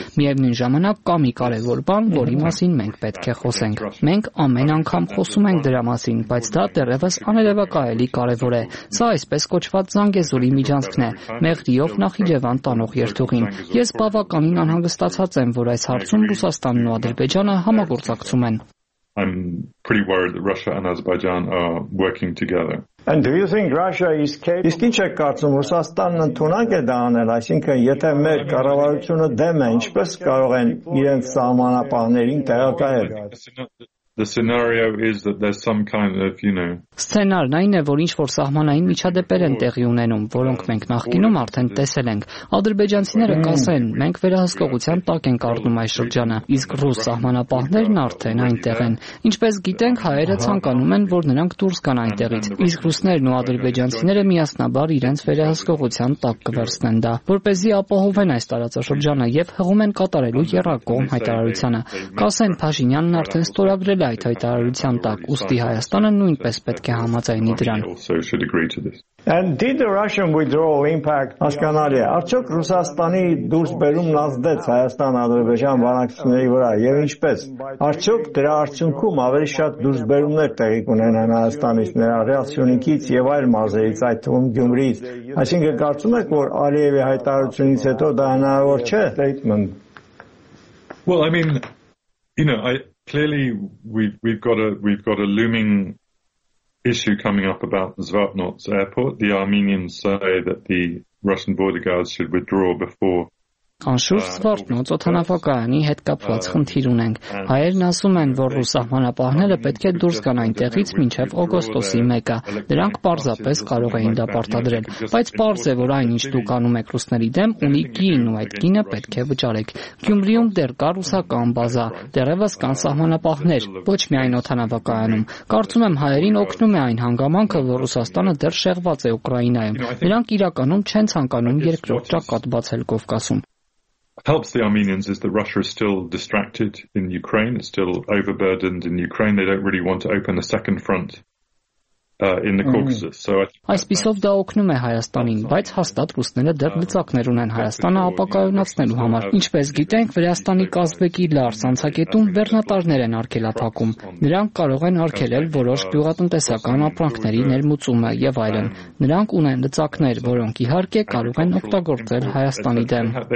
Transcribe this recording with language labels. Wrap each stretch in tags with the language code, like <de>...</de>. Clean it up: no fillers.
<hy>Միևնույն ժամանակ կա մի կարևոր բան, որի մասին մենք պետք է խոսենք։ Մենք ամեն անգամ խոսում ենք դրա մասին, բայց դա դեռևս աներևակայելի կարևոր է։ Սա այսպես կոչված Զանգեզուրի միջանցքն է, Մեղրիով Նախիջևան տանող երթուղին։ Ես բավականին անհանգստացած եմ, որ այս հարցում Ռուսաստանն ու Ադրբեջանը համագործակցում են։</hy> <en>I'm pretty worried that Russia and Azerbaijan are working together. And do you think Russia is capable?</en> <hy>Իսկ ինչ եք կարծում, Ռուսաստանն ընդունակ է դա անել, այսինքն եթե մեր կառավարությունը դեմ է, ինչպես կարող են իրենց սահմանապահներին տեղակայել?</hy> <en>The scenario is that there's some kind of, you know,</en> <hy>Սցենարն այն է, որ ինչ որ սահմանային միջադեպեր են տեղի ունենում, որոնք մենք նախկինում արդեն տեսել ենք։ Ադրբեջանցիները կասեն, մենք վերահսկողության տակ ենք առնում այս շրջանը, իսկ ռուս սահմանապահներն արդեն այնտեղ են։ Ինչպես գիտենք, հայերը ցանկանում են, որ նրանք դուրս գան այնտեղից, իսկ ռուսներն ու ադրբեջանցիները միասնաբար իրենց վերահսկողության տակ կվերցնեն դա, որպեսզի ապահովեն այս տարածաշրջանը եւ հղում են կատարելու երակողմ հայտարարությունը։ Կասեն Փաշինյանն արդեն ստորագրել այդ հայտարարության տակ, ուստի Հայաստանը նույնպես պետք է համաձայնի դրան։</hy> <en>And did the Russian withdrawal impact Ashkanaria?</en> <hy>Արդյոք Ռուսաստանի դուրս բերումն ազդեց Հայաստան-Ադրբեջան բանակցությունների վրա եւ ինչպես? Արդյոք դրա արդյունքում ավելի շատ դուրս բերումներ տեղի ունենան Հայաստանից նրա ռեակցիոնից եւ այլ մարզերից, այդ թվում Գյումրիից։ Այսինքն կարծում եք, որ Ալիևի հայտարարությունից հետո դա հնարավոր չէ?</hy> <en>Statement. Well, I mean, you know, Clearly, we've got a looming issue coming up about Zvartnots Airport. The Armenians say that the Russian border guards should withdraw before.</en> <hy>Անշուշտ Զվարթնոց օթանավակայանի հետ կապված խնդիր ունենք։ Հայերն ասում են, որ ռուսահանապահները պետք է դուրս գան այնտեղից մինչև օգոստոսի 1-ը։ Նրանք պարզապես կարող էին դա պարտադրել, բայց պարզ է, որ այն, ինչ դուք անում եք ռուսների դեմ, ունի գին, ու այդ գինը պետք է վճարեք։ Գյումրիում դեռ կա ռուսական բազա, դեռևս կան սահմանապահներ, ոչ միայն օթանավակայանում։ Կարծում եմ, հայերին օգնում է այն հանգամանքը, որ Ռուսաստանը դեռ շեղված է Ուկրաինայում։ Նրանք իրականում չեն ցանկանում երկրորդ ճակատ բացել Կովկասում։</hy> <en>Helps the Armenians is that Russia is still distracted in Ukraine, it's still overburdened in Ukraine. They don't really want to open a second front in the Caucasus. So</en> <hy>այսպիսով դա օգնում է Հայաստանին, բայց հաստատ ռուսները դեռ լծակներ ունեն Հայաստանը ապակայունացնելու համար։ Ինչպես գիտենք, Վրաստանի Կազմակերպի լարս անցակետում վերնատարներ են արգելափակում։ Նրանք կարող են արգելել որոշ գյուղատնտեսական ապրանքների ներմուծումը եւ այլն։ Նրանք ունեն լծակներ, որոնք իհարկե կարող են օգտագործել Հայաստանի դեմ։</hy>